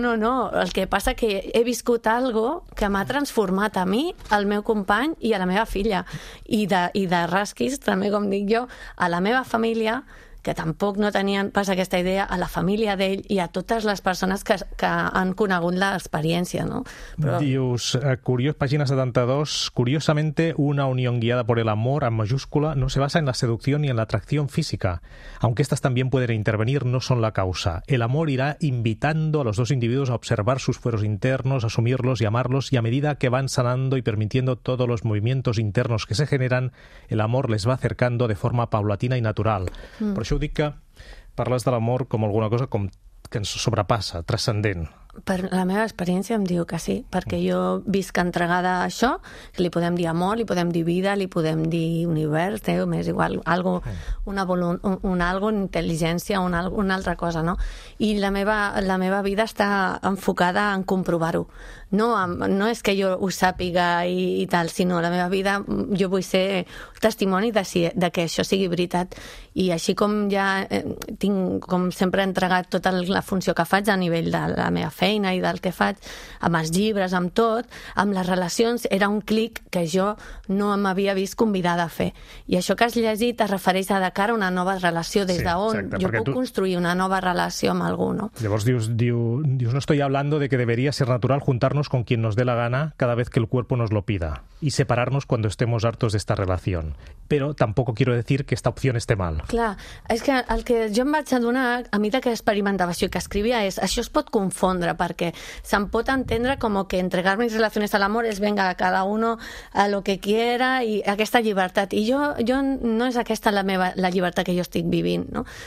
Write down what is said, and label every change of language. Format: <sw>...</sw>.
<ca>El que passa que he viscut algo que m'ha transformat a mi, al meu company i a la meva filla. I de rasquis, també, com dic jo, a la meva família, que tampoc no tenien pas aquesta idea, a la família d'ell i a totes les persones que han conegut l'experiència, no? Però... Dius, curiós, pàgina 72,</ca> <es>curiosamente, una unión guiada por el amor, en mayúscula, no se basa en la seducción ni en la atracción física. Aunque estas también pueden intervenir, no son la causa. El amor irá invitando a los dos individuos a observar sus fueros internos, asumirlos y amarlos, y a medida que van sanando y permitiendo todos los movimientos internos que se generan, el amor les va acercando de forma paulatina y natural.</es> <ca>Per això ho dic, que parles de l'amor com alguna cosa com que ens sobrepassa, transcendent. Per la meva experiència em diu que sí, perquè jo visc entregada a això, li podem dir amor, li podem dir vida, li podem dir univers, més igual, una intel·ligència, una altra cosa, no? I la meva vida està enfocada en comprovar-ho. No és que jo ho sàpiga i tal, sinó la meva vida, jo vull ser testimoni de que això sigui veritat. I així com ja tinc, com sempre, entregat tota la funció que faig a nivell de la meva feina i del que faig, amb els llibres, amb tot, amb les relacions, era un clic que jo no m'havia vist convidada a fer. I això que has llegit es refereix a de cara a una nova relació, des d'on jo puc construir una nova relació amb algú, no? Llavors dius, no estoy hablando de que debería ser natural juntarnos con quien nos dé la gana cada vez que el cuerpo nos lo pida y separarnos cuando estemos hartos de esta relación.</ca> <es>Pero tampoco quiero decir que esta opción esté mal.</es> <ca>Clar, és que el que jo em vaig adonar a mesura que experimentava això i que escrivia és, això es pot confondre perquè se'n pot entendre com que</ca> <es>entregar mis relaciones</es> <ca>a l'amor és</ca> <es>venga a cada uno a lo que quiera</es> <ca>i aquesta llibertat. I jo no és aquesta la llibertat que jo estic vivint, no?</ca>